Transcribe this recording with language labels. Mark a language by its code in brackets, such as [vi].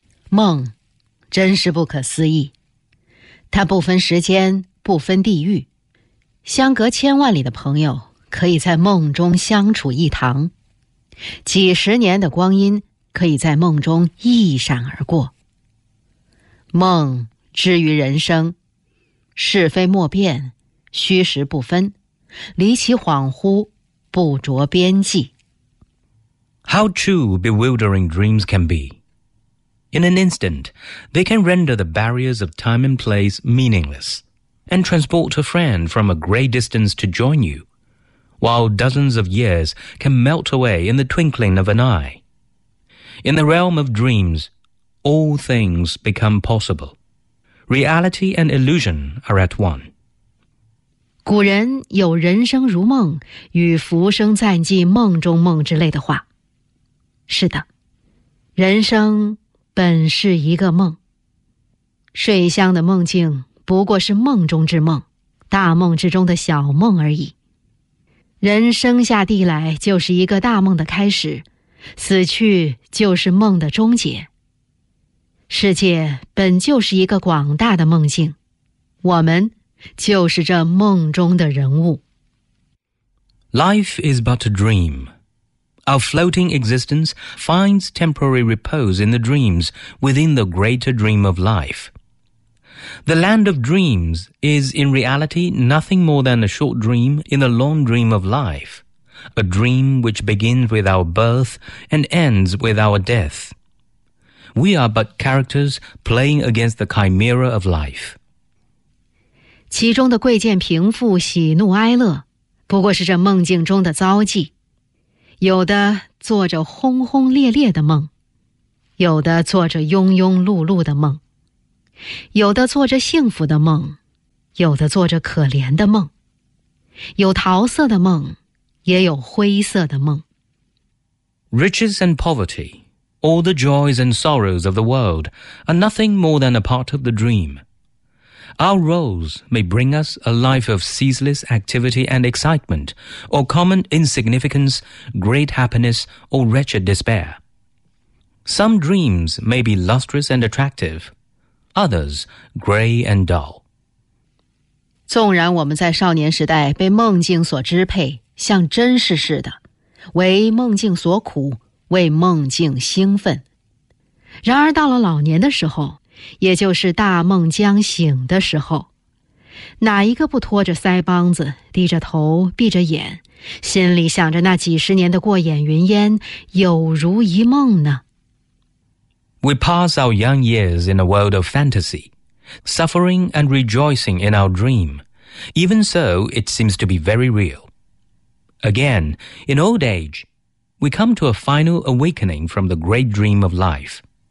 [zh] 梦真是不可思议，它不分时间，不分地域，相隔千万里的朋友可以在梦中相处一堂，几十年的光阴可以在梦中一闪而过。梦之于人生，是非莫辨，虚实不分，离奇恍惚，不着边际。 [en] How true bewildering dreams can be. In an instant, they can render the barriers of time and place meaningless. And transport a friend from a great distance to join you, while dozens of years can melt away in the twinkling of an eye. In the realm of dreams, all things become possible. Reality and illusion are at one. [zh] 古人有人生如梦，与浮生暂记梦中梦之类的话。是的，人生本是一个梦。睡香的梦境不过是梦中之梦，大梦之中的小梦而已。人生下地来就是一个大梦的开始，死去就是梦的终结。世界本就是一个广大的梦境，我们就是这梦中的人物。 [en] Life is but a dream. Our floating existence finds temporary repose in the dreams within the greater dream of life. The land of dreams is in reality nothing more than a short dream in a long dream of life, a dream which begins with our birth and ends with our death. We are but characters playing against the chimera of life. [zh] 其中的贵贱贫富、喜怒哀乐，不过是这梦境中的遭际。有的做着轰轰烈烈的梦，有的做着庸庸碌碌的梦，有的做着幸福的梦，有的做着可怜的梦，有桃色的梦，也有灰色的梦。 [en] Riches and poverty, all the joys and sorrows of the world, are nothing more than a part of the dream. Our roles may bring us a life of ceaseless activity and excitement, or common insignificance, great happiness, or wretched despair. Some dreams may be lustrous and attractive. Others, gray and dull. [zh] 纵然我们在少年时代被梦境所支配，像真实似的，为梦境所苦，为梦境兴奋。然而到了老年的时候，也就是大梦将醒的时候，哪一个不拖着腮帮子，低着头，闭着眼，心里想着那几十年的过眼云烟，有如一梦呢？ [en] We pass our young years in a world of fantasy, suffering and rejoicing in our dream. Even so, it seems to be very real. Again, in old age, we come to a final awakening from the great dream of life.